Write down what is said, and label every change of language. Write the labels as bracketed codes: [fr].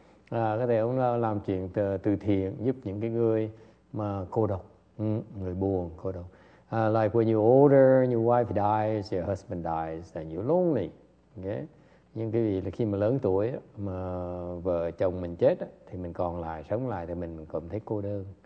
[vi] Có thể ông làm chuyện từ thiện giúp những cái người mà cô độc, người buồn, cô độc. [en] Like when you're older, your wife dies, your husband dies, then you're lonely. Okay? [vi] Nhưng cái gì là khi mà lớn tuổi mà vợ chồng mình chết thì mình còn lại, sống lại thì mình cảm thấy cô đơn.